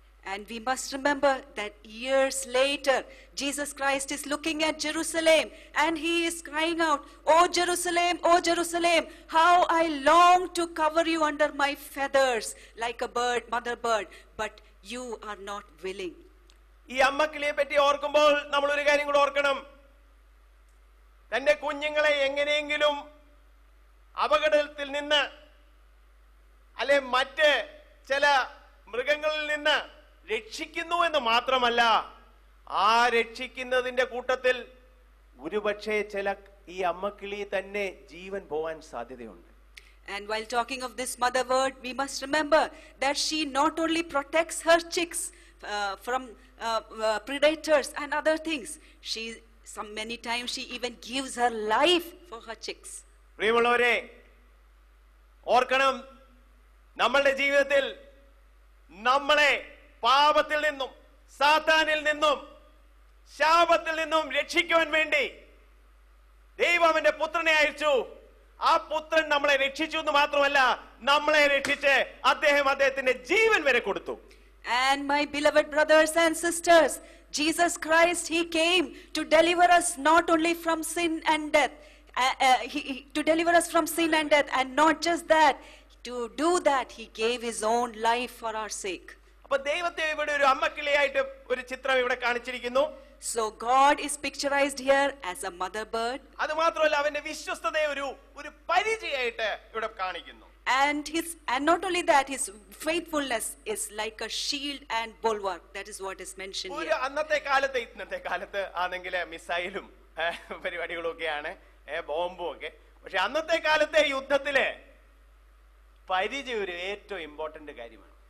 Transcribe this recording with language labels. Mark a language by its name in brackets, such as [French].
[English] And we must remember that years later, Jesus Christ is looking at Jerusalem and he is crying out, O Jerusalem, how I long to cover you under my feathers like a bird, mother bird, but you are not willing. [Malayalam] ഈ അമ്മക്കിളിയെ പറ്റി ഓർക്കുമ്പോൾ നമ്മൾ ഒരു കാര്യം കൂടി ഓർക്കണം. തന്റെ കുഞ്ഞുങ്ങളെ എങ്ങനെയെങ്കിലും അപകടത്തിൽ നിന്ന് അല്ലെ മറ്റ് ചില മൃഗങ്ങളിൽ നിന്ന് രക്ഷിക്കുന്നു എന്ന് മാത്രമല്ല ആ രക്ഷിക്കുന്നതിന്റെ കൂട്ടത്തിൽ ഒരുപക്ഷെ ചില ഈ അമ്മക്കിളി തന്നെ ജീവൻ പോവാൻ സാധ്യതയുണ്ട് [English] And while talking of this mother bird, we must remember that she not only protects her chicks from predators and other things, she some many times she even gives her life for her chicks. [Malayalam] പ്രിയമുള്ളവരെ ഓർക്കണം നമ്മുടെ ജീവിതത്തിൽ നമ്മളെ പാപത്തിൽ നിന്നും സാത്താനിൽ നിന്നും ശാപത്തിൽ നിന്നും രക്ഷിക്കുവാൻ വേണ്ടി ദൈവമന്റെ പുത്രനെ അയച്ചു ആ പുത്രൻ നമ്മളെ രക്ഷിച്ചു എന്ന് മാത്രമല്ല നമ്മളെ രക്ഷിച്ച് അദ്ദേഹം അദ്ദേഹത്തിന്റെ ജീവൻ വരെ കൊടുത്തു [English] And my beloved brothers and sisters, Jesus Christ, He came to deliver us not only from sin and death, to deliver us from sin and death, and not just that, to do that, He gave His own life for our sake. [Malayalam] അപ്പോൾ ദൈവത്തെ ഇവിടെ ഒരു അമ്മക്കിളിയായിട്ട് ഒരു ചിത്രം ഇവിടെ കാണിച്ചിരിക്കുന്നു. [English] So God is pictureized here as a mother bird. [Malayalam] അത് മാത്രമല്ല അവന്റെ വിശ്വസ്തതയെ ഒരു പരിചയമായിട്ട് ഇവിടെ കാണിക്കുന്നു. [English] And not only that, his faithfulness is like a shield and bulwark. That is what is mentioned here. [Malayalam] ഒരു അന്നത്തെ കാലത്ത് ഇന്നത്തെ കാലത്ത് ആണെങ്കിലും മിസൈലും പരിപാടികളും ഒക്കെയാണ് ബോംബും ഒക്കെ പക്ഷെ അന്നത്തെ കാലത്തെ യുദ്ധത്തിലെ പരിചയം ഒരു ഏറ്റവും ഇമ്പോർട്ടന്റ് കാര്യമാണ്